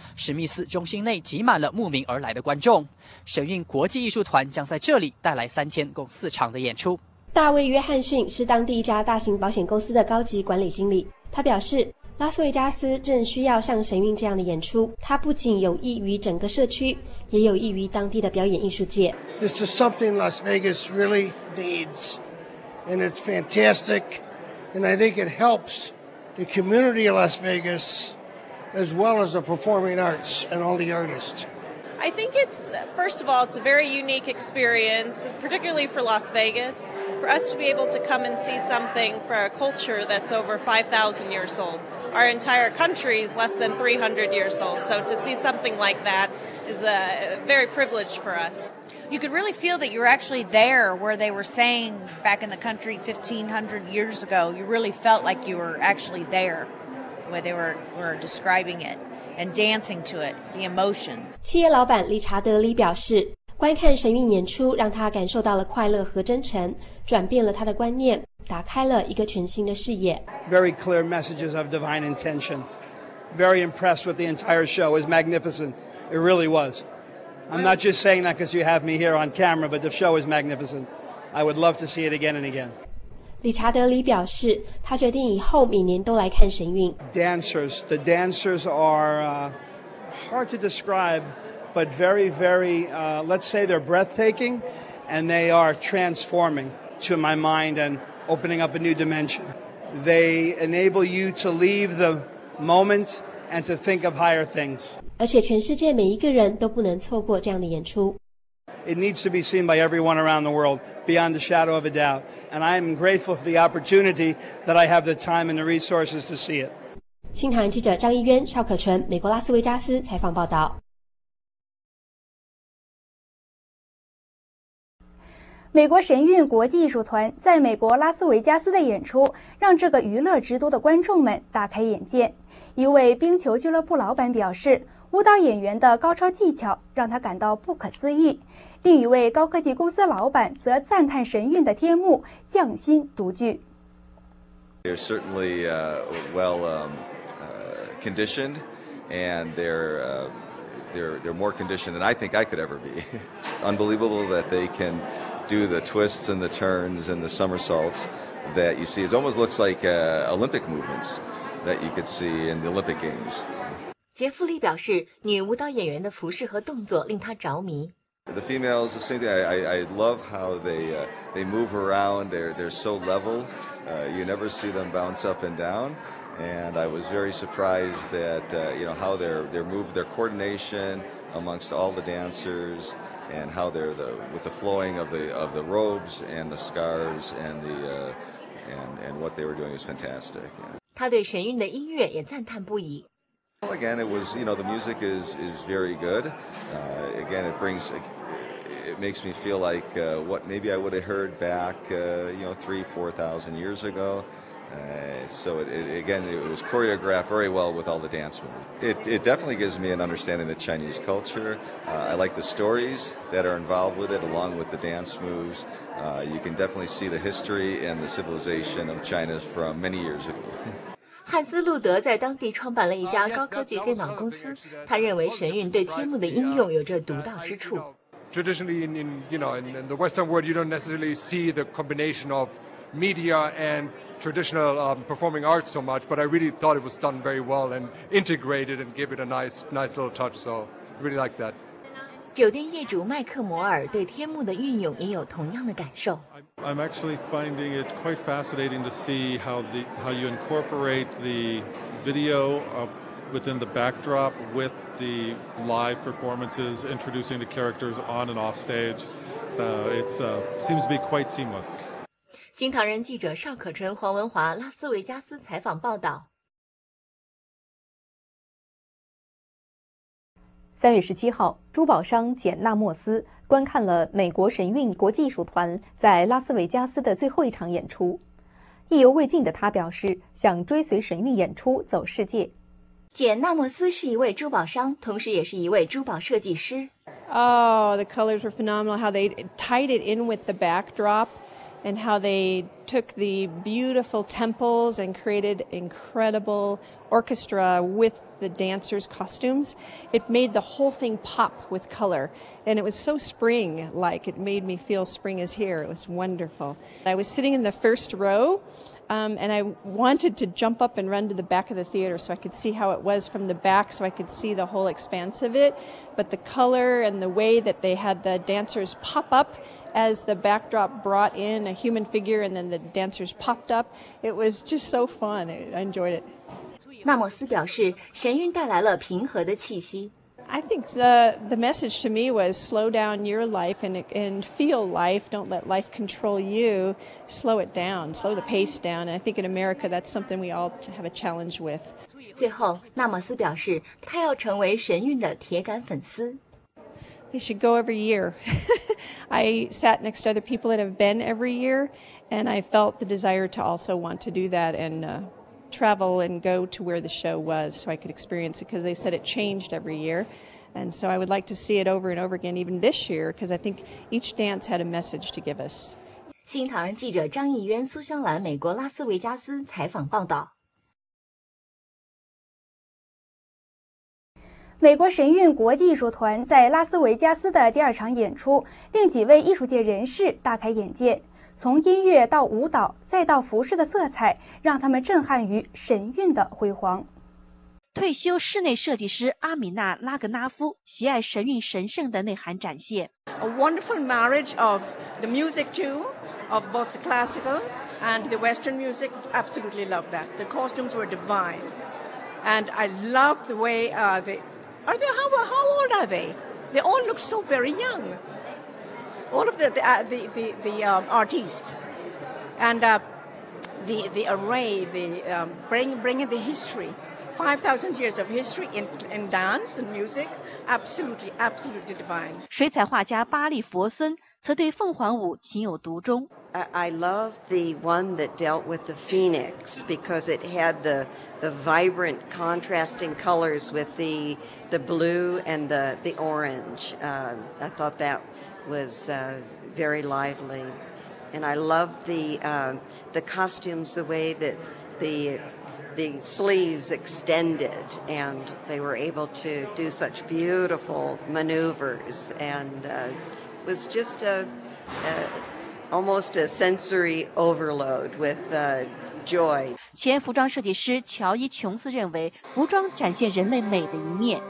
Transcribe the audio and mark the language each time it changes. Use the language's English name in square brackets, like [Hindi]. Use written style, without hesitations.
[Chinese] 史密斯中心内挤满了慕名而来的观众。神韵国际艺术团将在这里带来三天共四场的演出。大卫·约翰逊是当地一家大型保险公司的高级管理经理。他表示，拉斯维加斯正需要像神韵这样的演出。它不仅有益于整个社区，也有益于当地的表演艺术界。 [English] This is something Las Vegas really needs. And it's fantastic, and I think it helps the community of Las Vegas, as well as the performing arts and all the artists. I think it's, first of all, it's a very unique experience, particularly for Las Vegas, for us to be able to come and see something for a culture that's over 5,000 years old. Our entire country is less than 300 years old, so to see something like that is a very privileged for us. You could really feel that you're actually there where they were saying back in the country 1,500 years ago. You really felt like you were actually there, the way they were describing it and dancing to it, the emotion. [Chinese] 企业老板理查德·李表示，观看神韵演出让他感受到了快乐和真诚，转变了他的观念，打开了一个全新的视野。 [English] Very clear messages of divine intention. Very impressed with the entire show. It was magnificent. It really was. I'm not just saying that because you have me here on camera, but the show is magnificent. I would love to see it again and again. [Chinese] 理查德·李表示，他决定以后每年都来看神韵。 [English] Dancers, the dancers are hard to describe, but very, very, let's say they're breathtaking, and they are transforming to my mind and opening up a new dimension. They enable you to leave the moment and to think of higher things. [Chinese] 而且全世界每一个人都不能错过这样的演出。 [English] It needs to be seen by everyone around the world, beyond the shadow of a doubt. And I am grateful for the opportunity that I have the time and the resources to see it. [Chinese] 新唐人记者张一渊、邵可纯，美国拉斯维加斯采访报道。美国神韵国际艺术团在美国拉斯维加斯的演出，让这个娱乐之都的观众们大开眼界。一位冰球俱乐部老板表示，舞蹈演员的高超技巧让他感到不可思议。另一位高科技公司老板则赞叹神韵的天幕匠心独具。 [English] They're certainly conditioned, and they're more conditioned than I think I could ever be. It's unbelievable that they can do the twists and the turns and the somersaults that you see. It almost looks like Olympic movements that you could see in the Olympic Games. [Chinese] 杰夫利表示，女舞蹈演员的服饰和动作令他着迷。 [English] The females, the same thing. I love how they move around. They're so level. You never see them bounce up and down. And I was very surprised that how they're move, their coordination amongst all the dancers, and how they're with the flowing of the robes and the scarves and the what they were doing is fantastic. [Chinese] 他对神韵的音乐也赞叹不已。 [English] Well, again, it was, the music is very good. Again, it brings, it makes me feel like what maybe I would have heard back, you know, 3,000-4,000 years ago. So it was choreographed very well with all the dance moves. It definitely gives me an understanding of the Chinese culture. I like the stories that are involved with it along with the dance moves. You can definitely see the history and the civilization of China from many years ago. [Chinese] 汉斯·路德在当地创办了一家高科技电脑公司。他认为神韵对天幕的应用有着独到之处。 [English] Traditionally, in the Western world, you don't necessarily see the combination of media and traditional performing arts so much, but I really thought it was done very well and integrated and gave it a nice little touch, so I really like that. [Chinese] 酒店业主麦克摩尔对天幕的运用也有同样的感受。 [English] I'm actually finding it quite fascinating to see how you incorporate the video of within the backdrop with the live performances, introducing the characters on and off stage. It seems to be quite seamless. [Chinese] 新唐人记者邵可春、黄文华，拉斯维加斯采访报道。 3月17号，珠宝商简·纳莫斯观看了美国神韵国际艺术团在拉斯维加斯的最后一场演出，意犹未尽的他表示想追随神韵演出走世界。简·纳莫斯是一位珠宝商，同时也是一位珠宝设计师。 [English] Oh, the colors were phenomenal. How they tied it in with the backdrop, and how they took the beautiful temples and created incredible orchestra with the dancers' costumes. It made the whole thing pop with color, and it was so spring-like. It made me feel spring is here. It was wonderful. I was sitting in the first row, and I wanted to jump up and run to the back of the theater so I could see how it was from the back, so I could see the whole expanse of it. But the color and the way that they had the dancers pop up as the backdrop brought in a human figure and then the dancers popped up, it was just so fun. I enjoyed it. [Chinese] 纳莫斯表示，神韵带来了平和的气息。 [English] I think the message to me was slow down your life and feel life. Don't let life control you. Slow it down. Slow the pace down. And I think in America, that's something we all have a challenge with. [Chinese] 最后，纳莫斯表示，他要成为神韵的铁杆粉丝。 [English] They should go every year. I sat next to other people that have been every year, and I felt the desire to also want to do that and travel and go to where the show was so I could experience it because they said it changed every year. And so I would like to see it over and over again, even this year, because I think each dance had a message to give us. [Chinese] 新唐人记者张艺渊、苏香兰，美国拉斯维加斯采访报道。美国神韵国际艺术团在拉斯维加斯的第二场演出令几位艺术界人士大开眼界，从音乐到舞蹈再到服饰的色彩，让他们震撼于神韵的辉煌。退休室内设计师阿米娜·拉格纳夫喜爱神韵神圣的内涵展现。 [English] A wonderful marriage of the music too, of both the classical and the western music. Absolutely love that. The costumes were divine. And I love the way how old are they? They all look so very young. All of the artists and the array, bringing the history, 5,000 years of history in dance and music, absolutely, absolutely divine. [Chinese] 水彩画家巴利·佛森则对凤凰舞情有独钟。 [English] I love the one that dealt with the phoenix because it had the vibrant contrasting colors with the blue and the orange. I thought that... was very lively, and I love the costumes, the way that the sleeves extended, and they were able to do such beautiful maneuvers, and was just almost a sensory overload with joy. [Chinese] 前服装设计师乔伊·琼斯认为，服装展现人类美的一面。